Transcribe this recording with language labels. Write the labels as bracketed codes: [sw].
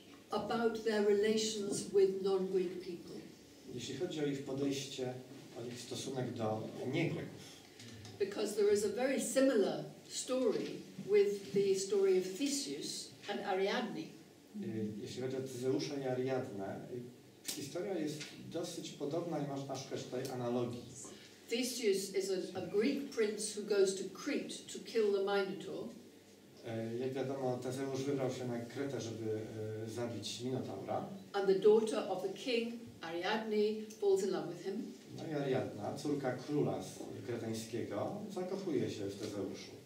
[en] about their relations with non-Greek people. [pl] Jeśli chodzi o ich podejście, o ich stosunek do nie-Greków. [en] Because there is a very similar story with the story of Theseus and Ariadne. [pl] Jeśli chodzi o Tezeusza i Ariadne, historia jest dosyć podobna i można szukać tutaj analogii. [en] Theseus is a Greek prince who goes to Crete to kill the Minotaur. [pl] Jak wiadomo, Tezeusz wybrał się na Kretę, żeby zabić Minotaura. [en] And the daughter of the king, Ariadne, falls in love with him. [pl] No i Ariadna, córka króla kreteńskiego, zakochuje się w Tezeuszu.